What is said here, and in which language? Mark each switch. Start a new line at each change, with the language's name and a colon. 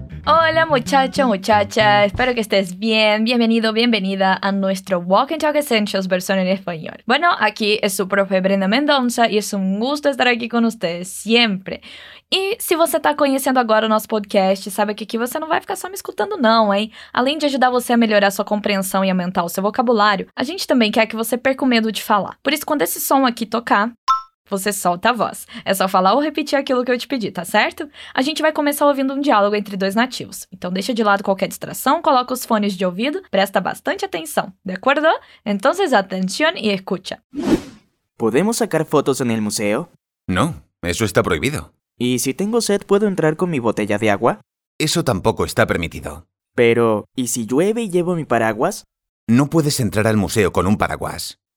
Spanish: Hola muchacho, muchacha, espero que estés bien. Bienvenido, bienvenida a nuestro Walk and Talk Essentials versión en español. Bueno, aquí es su profe Brenda Mendoza y es un gusto estar aquí con ustedes siempre.
Portuguese: E se você tá conhecendo agora o nosso podcast, sabe que aqui você não vai ficar só me escutando não, hein? Além de ajudar você a melhorar sua compreensão e aumentar o seu vocabulário, a gente também quer que você perca o medo de falar. Por isso, quando esse som aqui tocar, você solta a voz. É só falar ou repetir aquilo que eu te pedi, tá certo? A gente vai começar ouvindo um diálogo entre dois nativos. Então deixa de lado qualquer distração, coloca os fones de ouvido, presta bastante atenção, de acordo?
Spanish: Então, atención y escucha. Podemos sacar fotos en el museo? No, eso está prohibido. ¿Y si tengo sed, puedo entrar con mi botella de agua? Eso tampoco está permitido. Pero, ¿y si llueve y llevo mi paraguas? No puedes entrar al museo con un paraguas.